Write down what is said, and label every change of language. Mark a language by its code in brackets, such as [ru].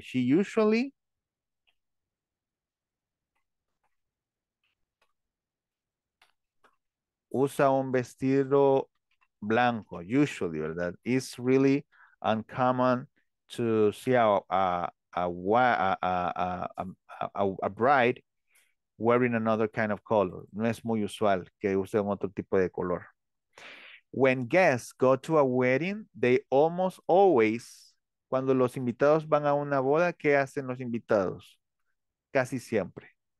[en] She usually [es] usa un vestido blanco, usually, ¿verdad? [en] It's really uncommon to see a bride wearing another kind of color. [es] No es muy usual que use otro tipo de color. [en] When guests go to a wedding, they almost always, [es] cuando los invitados van a una boda, ¿qué hacen los invitados? Casi siempre.